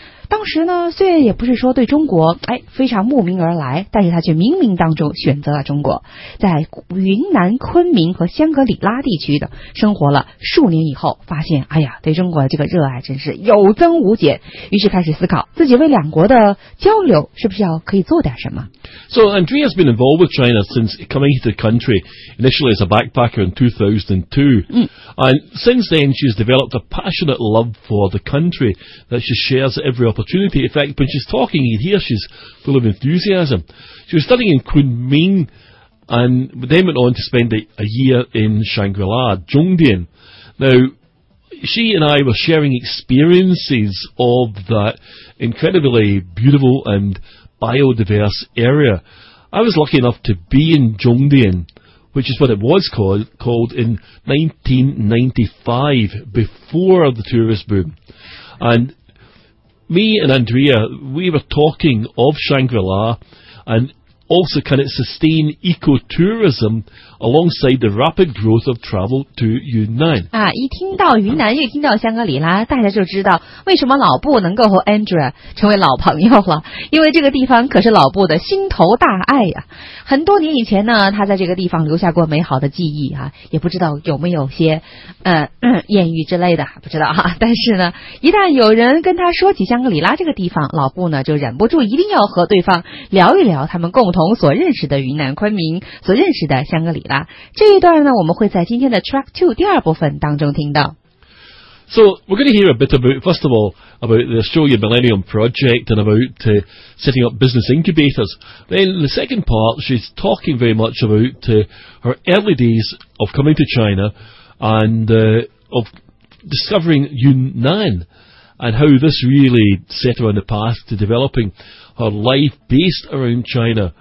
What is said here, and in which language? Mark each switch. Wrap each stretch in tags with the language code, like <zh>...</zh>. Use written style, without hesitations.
<zh>当时呢，虽然也不是说对中国哎非常慕名而来，但是他却冥冥当中选择了中国，在云南昆明和香格里拉地区的生活了数年以后，发现哎呀，对中国这个热爱真是有增无减，于是开始思考自己为两国的交流是不是要可以做点什么。</zh> <en>So Andrea has been involved with China since coming to the country initially as a backpacker in 2002. And since then she's developed a passionate love for the country that she shares every opportunity. In fact, when she's talking here, she's full of enthusiasm. She was studying in Kunming and then went on to spend a year in Shangri-La, Zhongdian. Now, she and I were sharing experiences of that incredibly beautiful and biodiverse area. I was lucky enough to be in Zhongdian, which is what it was called in 1995, before the tourist boom. And me and Andrea, we were talking of Shangri-La and also can it sustain ecotourism alongside the rapid growth of travel to Yunnan.</en> <zh>啊，一听到云南，一听到香格里拉，大家就知道为什么老布能够和 Andrea 成为老朋友了，因为这个地方可是老布的心头大爱啊。很多年以前呢，他在这个地方留下过美好的记忆啊，也不知道有没有些艳遇之类的，不知道啊。但是呢，一旦有人跟他说起香格里拉这个地方，老布呢就忍不住一定要和对方聊一聊他们共同所认识的云南昆明，所认识的香格里拉。这一段呢，我们会在今天的 Track 2第二部分当中听到。</zh> <en>So we're going to hear a bit about, first of all, about the Australian Millennium Project and about setting up business incubators. Then in the second part, she's talking very much about her early days of coming to China and of discovering Yunnan and how this really set her on the path to developing her life based around China.</en>